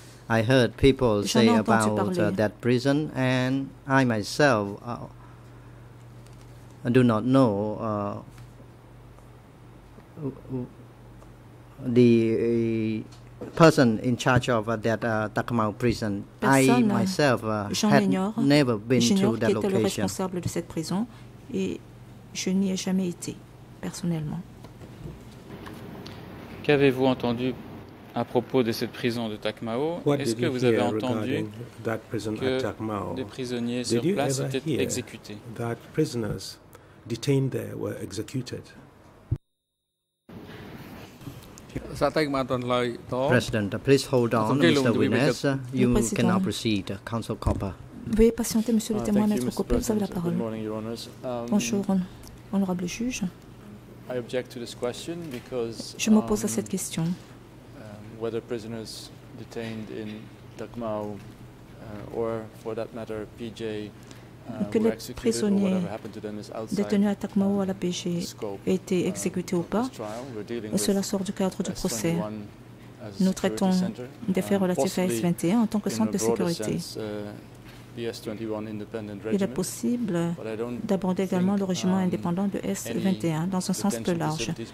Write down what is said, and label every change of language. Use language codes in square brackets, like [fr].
[en] I heard people say about that prison, and I myself do not know the person in charge of that Takmao prison. [fr] Personne, [en] I myself had never been to that location. [fr] J'ignore qui était le responsable de cette prison, et je n'y ai jamais été personnellement. Qu'avez-vous entendu à propos de cette prison de Takmao? [en] What [fr] est-ce que vous avez entendu [en] that prison [fr] que [en] at Takmao? [fr] Des prisonniers sur place étaient exécutés? [en] That prisoners detained there were executed? President, please hold on, Mr. Witness. You cannot proceed. Counsel Copper. [fr] Veuillez patienter, Monsieur le témoin, Maître Copper. Vous avez la parole. [en] Good morning, Your Honours. [fr] Bonjour, honorable juge. [en] I object to this question because [fr] je m'oppose à cette question. [en] Whether prisoners detained in Takmao or, for that matter, PJ, [fr] que [en] were executed, [fr] les prisonniers [en] or whatever happened to them is outside [fr] détenus à Takmao ou à la PJ étaient exécutés ou pas, cela sort du cadre du procès. Nous traitons des faits relatifs à S21 en tant que centre de sécurité. [en] Sense, S21 independent [fr] regiment, il est possible d'aborder également le régiment indépendant de S21 dans un sens plus large.